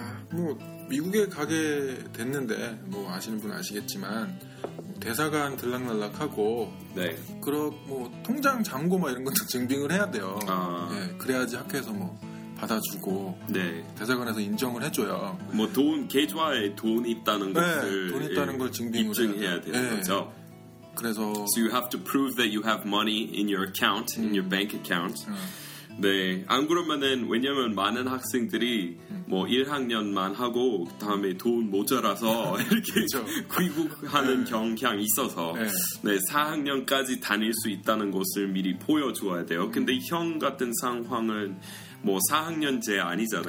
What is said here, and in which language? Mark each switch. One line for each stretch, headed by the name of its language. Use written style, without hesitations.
Korean: 뭐 미국에 가게 됐는데 뭐 아시는 분 아시겠지만 대사관 들락날락하고 네. 그럼 뭐 통장 잔고 막 이런 것도 증빙을 해야 돼요. 아. 네, 그래야지 학교에서 뭐 받아주고 네. 대사관에서 인정을 해줘요. 뭐 돈 계좌에 돈 있다는 것을 네, 돈 있다는 걸 증빙을 입증해야 돼요. 되는 거죠. 네. 그래서
English: So you have to prove that you have money in your account, in your bank account.
Korean: 네, 안 그러면은 왜냐면 많은 학생들이 뭐 1학년만 하고 다음에 돈 모자라서 이렇게 귀국하는 경향이 있어서 네, 4학년까지 다닐 수 있다는 것을 미리 보여줘야 돼요. 근데 형 같은 상황은 뭐 4학년제 아니잖아요.